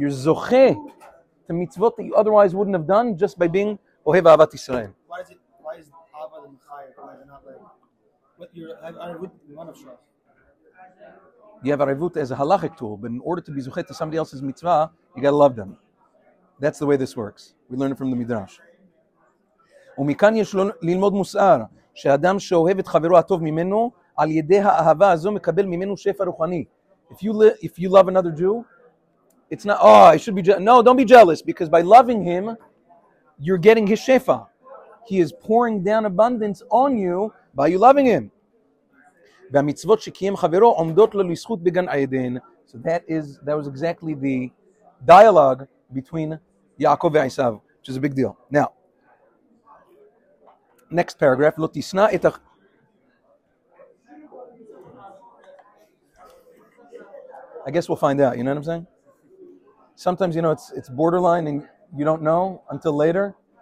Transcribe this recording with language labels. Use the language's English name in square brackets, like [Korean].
[English] You're zoche to mitzvot that you otherwise wouldn't have done just by being Ohev Ahavat Yisrael. Why is Ahava the Mechayev? Why is it not like Arevut? You want to show. You have Arevut as a halachic tool, but in order to be zuchet to somebody else's mitzvah, you got to love them. That's the way this works. We learn it from the Midrash. [Hebrew] ומכאן יש ללמוד מוסר, שאדם שאוהב את חברו הטוב ממנו, על ידי האהבה הזו מקבל ממנו שפע רוחני. [English] If you love another Jew, it's not, oh, I should be jealous. No, don't be jealous, because by loving him, you're getting his שפע. He is pouring down abundance on you by you loving him. [Hebrew] והמצוות שקיים חברו עומדות לו לזכות בגן עדן. [English] So that was exactly the dialogue between יעקב ועשיו, which is a big deal. Now, next paragraph, [Hebrew] לא תשנא את [English] I guess we'll find out, you know what I'm saying? Sometimes, you know, it's borderline and you don't know until later.